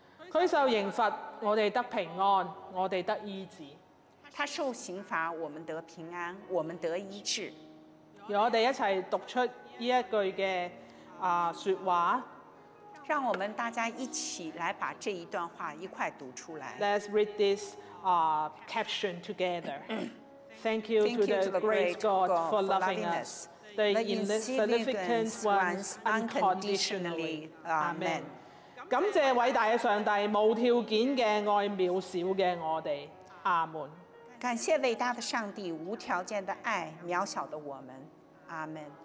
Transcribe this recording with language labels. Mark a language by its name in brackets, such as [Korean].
[Chinese] 他受刑罚我们得平安，我们得医治。他受刑罚我们得平安，我们得医治。让我们一起读出这一句的说话，让我们大家一起来把这一段话一块读出来。 [English] Let's read this caption together. Thank you to the great God for loving us, the insignificant ones unconditionally. Amen. [Chinese] 感謝偉大的上帝無條件的愛渺小的我們，阿門。感謝偉大的上帝無條件的愛渺小的我們，阿門。